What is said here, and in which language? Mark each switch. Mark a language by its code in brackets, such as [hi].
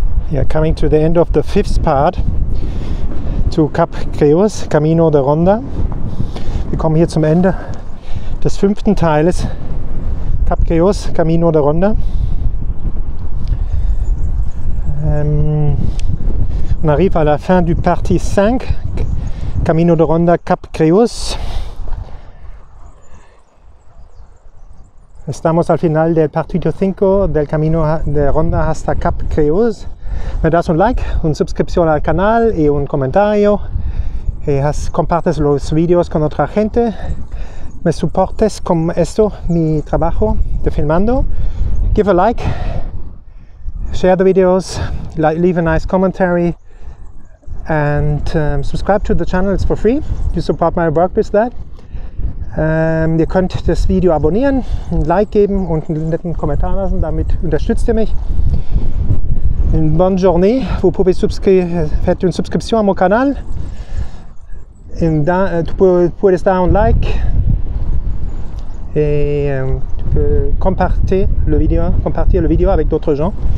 [en] Yeah, coming to the end of the fifth part to Cap Creus, Camino de Ronda. [de] Wir kommen hier zum Ende des fünften Teiles Cap Creus, Camino de Ronda. [fr] On arrive à la fin du partie 5, Camino de Ronda Cap Creus. [es] Estamos al final del partido 5 del Camino de Ronda hasta Cap Creus. Me das un like, una suscripción al canal y un comentario. Y compartes los videos con otra gente. Me soportes con esto, mi trabajo de filmando. [en] Give a like. Share the videos. Leave a nice commentary. And subscribe to the channel, it's for free. You support my work with that. [de] Ihr könnt das Video abonnieren, ein Like geben und einen netten Kommentar lassen. Damit unterstützt ihr mich. [fr] Une bonne journée. Vous pouvez faire une subscription à mon canal. Tu peux laisser un like. Et tu peux compartir le vidéo avec d'autres gens.